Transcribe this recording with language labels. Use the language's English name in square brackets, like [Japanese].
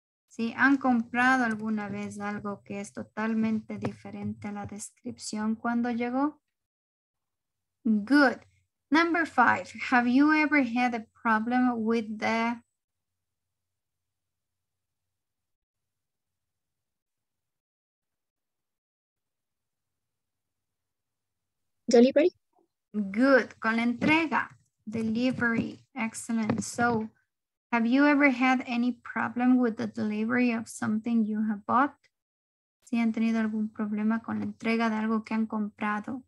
[Spanish] Si han comprado alguna vez algo que es totalmente diferente a la descripción cuando llegó. [English] Good. Number five. Have you ever had a problem with the delivery? Good. [Spanish] Con la entrega. [English] Delivery. Excellent. So, have you ever had any problem with the delivery of something you have bought? [Spanish] ¿Si han tenido algún problema con la entrega de algo que han comprado?